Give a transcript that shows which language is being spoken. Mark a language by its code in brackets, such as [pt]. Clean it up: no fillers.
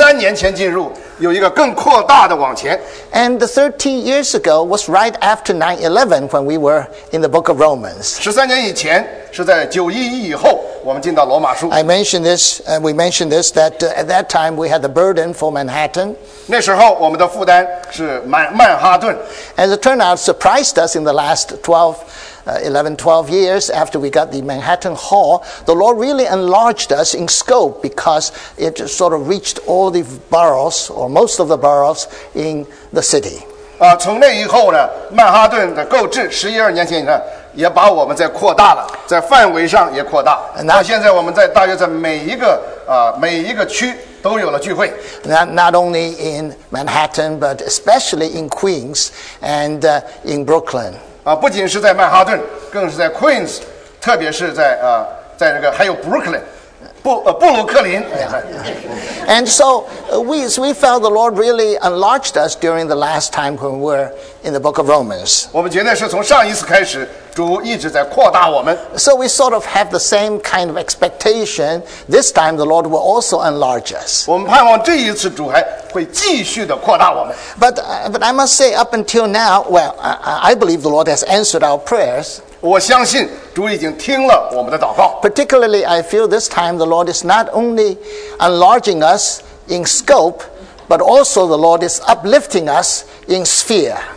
[zh] 我们这次的祷告是盼望我们这次进入罗马书会比13年前进入有一个更扩大的往前。 [en] And the 13 years ago was right after 9/11 when we were in the book of Romans. [zh] 13年以前是在911以后。 [en] I mentioned this, and we mentioned this, that at that time we had the burden for Manhattan. [zh] 那时候我们的负担是曼哈顿。 [en] As it turned out, surprised us in the last 11, 12 years after we got the Manhattan Hall, the Lord really enlarged us in scope because it sort of reached all the boroughs, or most of the boroughs in the city. [zh] 从那以后呢, 曼哈顿的购置, 11、12年前以上, 也把我们再扩大了，在范围上也扩大。那现在我们在大约在每一个区都有了聚会。 [en] Not only in Manhattan, but especially in Queens and in Brooklyn. [zh] 不仅是在曼哈顿，更是在 Queens，特别是在这个还有 Brooklyn。布鲁克林 [en] And so we felt the Lord really enlarged us during the last time when we were in the book of Romans. [zh] 我们觉得是从上一次开始, 主一直在扩大我们。 [en] So we sort of have the same kind of expectation. This time the Lord will also enlarge us. [zh] 我们盼望这一次主还会继续地扩大我们。 [en] But I must say, up until now, well, I believe the Lord has answered our prayers. [zh] 我相信主已经听了我们的祷告。 [en] Particularly, I feel this time the Lord is not only enlarging us in scope, but also the Lord is uplifting us in sphere.